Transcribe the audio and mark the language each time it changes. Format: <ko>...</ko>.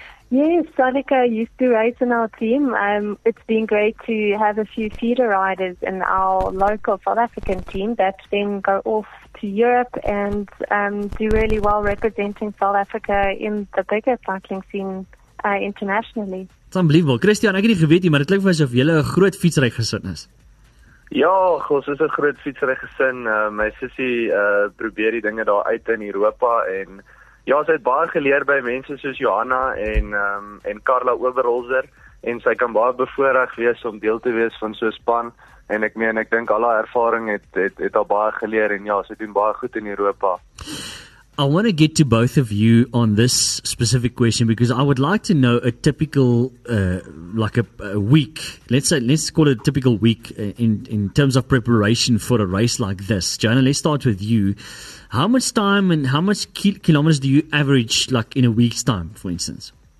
<en>Yes, Sonica used to race in our team. It's been great to have a few feeder riders in our local South African team that then go off to Europe and do really well representing South Africa in the bigger cycling scene internationally. It's unbelievable.</en> <af>Christian, ek het nie geweet nie, maar dit klink vir my asof jy 'n groot fietsry gesin is. Ja, ons is 'n groot fietsry gesin. My sussie probeer die dinge daar uit in Europa en ja, sy het baie geleer by mense soos Johanna en Carla Overholzer en sy kan baie bevoorreg wees om deel te wees van so 'n span en ek dink al haar ervaring het al baie geleer en ja, sy doen baie goed in Europa.</af> <en>I want to get to both of you on this specific question because I would like to know a typical week. Let's call it a typical week in terms of preparation for a race like this. Joanna, let's start with you. How much time and how much kilometers do you average like in a week's time, for instance?</en>